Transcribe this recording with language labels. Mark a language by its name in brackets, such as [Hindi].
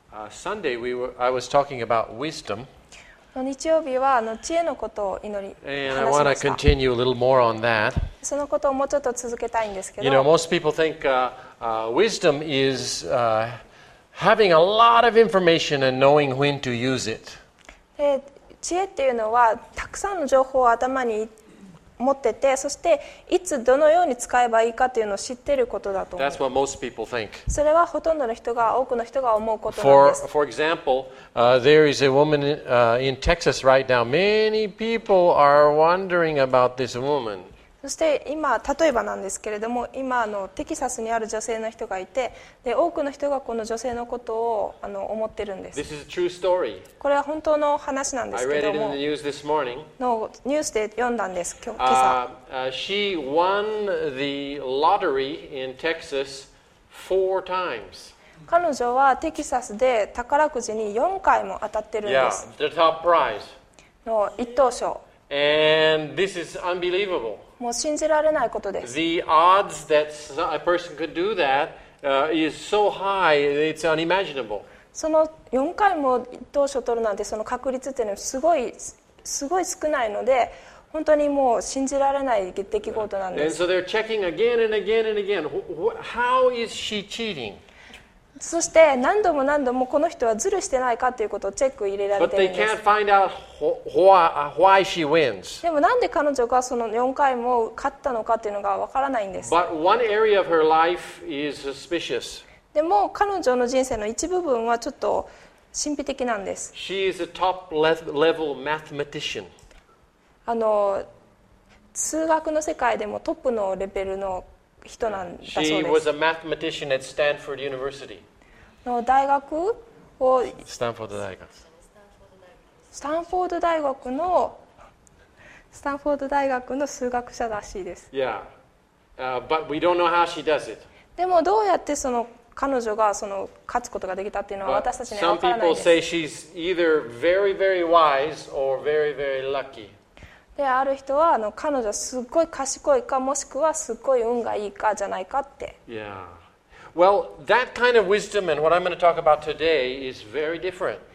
[English] Sunday we were, I was talking about wisdom. [Japanese] 日曜日は知恵のことを祈り話しました。 [English] And I want to continue a little more on that. [Japanese] そのことをもうちょっと続けたいんですけど。 [English] You know, most people think wisdom is having a lot of information and knowing when to use it. [Japanese] 知恵っていうのはたくさんの情報を頭に持ってて、そしていつどのように使えばいいかというのを知っていることだと思います。それはほとんどの人が、多くの人が思うことなんです。 [English] For example, there is a woman in Texas right now. Many people are wondering about this woman. [Japanese] そして今、例えばなんですけれども、今テキサスにある女性の人がいて、で多くの人がこの女性のことを思っているんです。 [English] This is a true story. [Japanese] これは本当の話なんですけども、 [English] I read it in the news this morning. [Japanese] のニュースで読んだんです、今朝。 [English] She won the lottery in Texas four times. [Japanese] 彼女はテキサスで宝くじに4回も当たってるんです。 [English] Yeah, the top prize. [Japanese] の一等賞。 [English] And this is unbelievable. [Japanese] もう信じられないことです。 [English] The odds that a person could do that is so high, it's unimaginable. [Japanese] その4回も当初取るなんて、その確率っていうのはすごい、すごい少ないので、本当にもう信じられない出来事なんです。 [English] And so they're checking again and again and again. How is she cheating? [Japanese] そして何度も何度もこの人はズルしてないかということをチェック入れられているんです。 [English] But they can't find out why she wins. [Japanese] でもなんで彼女がその4回も勝ったのかというのがわからないんです。 [English] But one area of her life is suspicious. [Japanese] でも彼女の人生の一部分はちょっと神秘的なんです。 [English] She is a top level mathematician. [Japanese] 数学の世界でもトップのレベルの人なんだそうです。 [English] She was a mathematician at Stanford University. [Japanese] の大学を。 Stanford 大学。 Stanford 大学の Stanford 大学の数学者らしいです。 [English] Yeah, but we don't know how she does it. [Japanese] でもどうやってその彼女がその勝つことができたっていうのは私たちには分からないです。 [English] Some people say she's either very very wise or very very lucky. [Japanese] で、ある人は彼女はすっごい賢いか、もしくはすっごい運がいいかじゃないかって。 [English] Yeah. Well, that kind of wisdom and what I'm going to talk about today is very different.